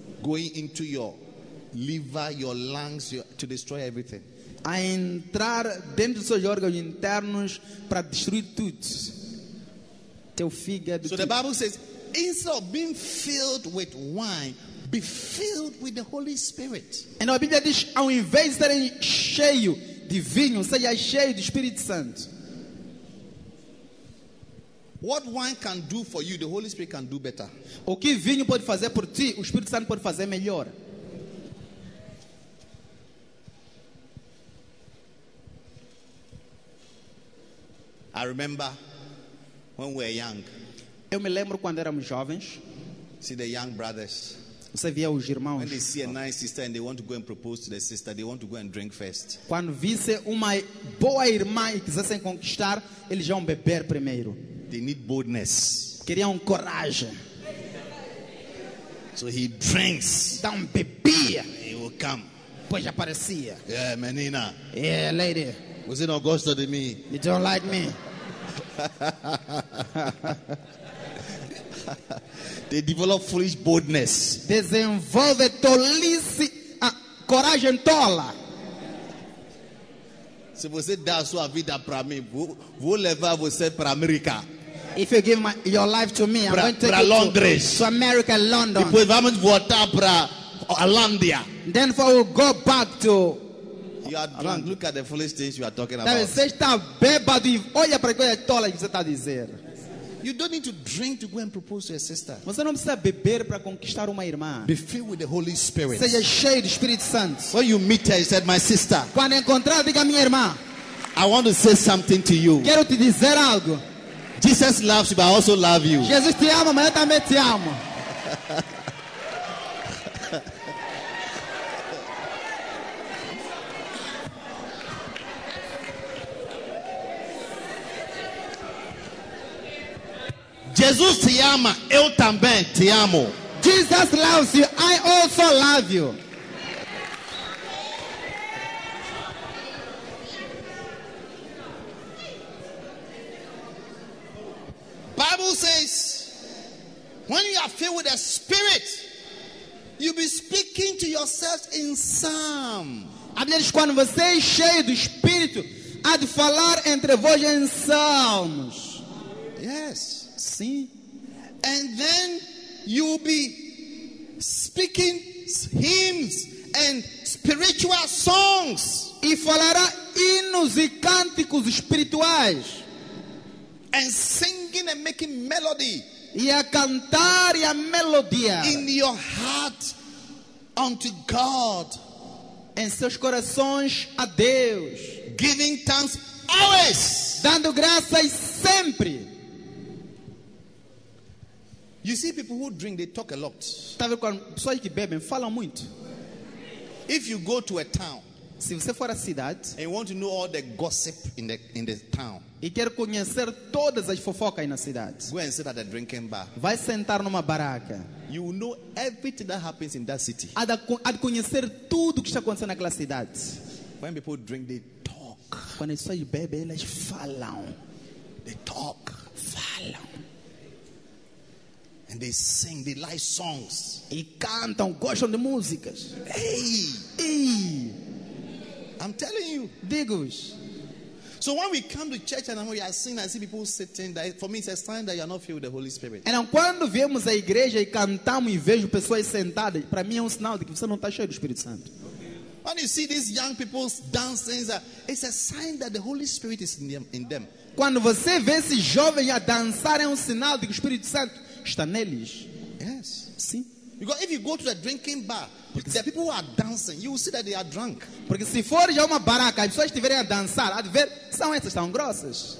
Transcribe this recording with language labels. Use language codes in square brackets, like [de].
[en] Going into your liver, your lungs, to destroy everything. [pt] A entrar dentro dos seus órgãos internos para destruir tudo. Teu fígado. [en] So the Bible says, instead of being filled with wine, be filled with the Holy Spirit. [pt] And a Bíblia diz ao invés de estarem cheio de vinho, seja cheio do Espírito Santo. [en] What wine can do for you, the Holy Spirit can do better. [pt] O que vinho pode fazer por ti, o Espírito Santo pode fazer melhor. [en] I remember when we were young. [pt] Eu me lembro quando éramos jovens. [en] See the young brothers. [pt] Você via os irmãos. [en] When they see a nice sister and they want to go and propose to the sister, they want to go and drink first. [pt] Quando visse uma boa irmã e quisessem conquistar, eles já vão beber primeiro. [en] They need boldness. [pt] Queriam coragem. [en] So he drinks. [pt] Então bebia. [en] He will come. [pt] Pois aparecia. [en] Yeah, menina. Yeah, lady. Was it Augusta to me? You don't like me. They develop foolish boldness. [pt] Desenvolve tolice, coragem tola. Se você dá sua vida para mim, vou levar você para América. [en] If you give your life to me, I'm going to take [pt] Londres. [en] To America, London. [pt] Depois vamos voltar para Holândia. [en] Then for we'll go back to. You are drunk. Look at the foolish things you are talking about. [pt] Você está bêbado e olha para coisa tola que você está a dizer. [en] You don't need to drink to go and propose to your sister. [pt] Você não precisa beber para conquistar uma irmã. [en] Be filled with the Holy Spirit. [pt] Seja cheio do Espírito Santo. [en] When you meet her, you said, "My sister." [pt] Quando encontrar, diga minha irmã. [en] I want to say something to you. [pt] Quero te dizer algo. [en] Jesus loves you, but I also love you. [pt] Jesus te ama, mas eu também te amo. Jesus te ama, eu também te amo. [en] Jesus loves you, I also love you. Bible says, when you are filled with the Spirit, you'll be speaking to yourself in psalm. [pt] A Bíblia diz, quando você é cheio do Espírito, há de falar entre vós em salmos. [en] Yes. [pt] Sim. [en] And then you'll be speaking hymns and spiritual songs. [pt] E falará hinos e cânticos espirituais. [en] And singing and making melody. [pt] E a cantar e a melodia. [en] In your heart unto God. [pt] Em seus corações a Deus. [en] Giving thanks always. [pt] Dando graças sempre. [en] You see people who drink, they talk a lot. [pt] Sabe quando pessoas que bebem falam muito. [en] If you go to a town, [pt] se você for a cidade, [en] and you want to know all the gossip in the town, [pt] e quer conhecer todas as fofocas na cidade, [en] go and sit at a drinking bar. [pt] Vai sentar numa baraca. [en] You will know everything that happens in that city. [pt] Há de conhecer tudo que está acontecendo naquela cidade. [en] When people drink, they talk. [pt] Quando pessoas bebem, elas falam. [en] They talk. [pt] Falam. [en] And they sing, they like songs. [pt] E cantam, gostam de músicas. [en] Hey! I'm telling you. [pt] Digos. [en] So when we come to church and we are singing, I see people sitting there. For me, it's a sign that you are not filled with the Holy Spirit. [pt] E quando viemos à igreja e cantamos e vejo pessoas sentadas, para mim é um sinal de que você não está cheio do Espírito Santo. [en] When you see these young people dancing, it's a sign that the Holy Spirit is in them. [pt] Quando você vê esse jovem a dançar, é um sinal de que o Espírito Santo está neles. [en] Yes. [pt] Sim. [en] Because if you go to the drinking bar, the people who are dancing, you will see that they are drunk. [pt] Porque se for já uma baraca, as pessoas estiverem a dançar, há de ver, são essas, são grossas.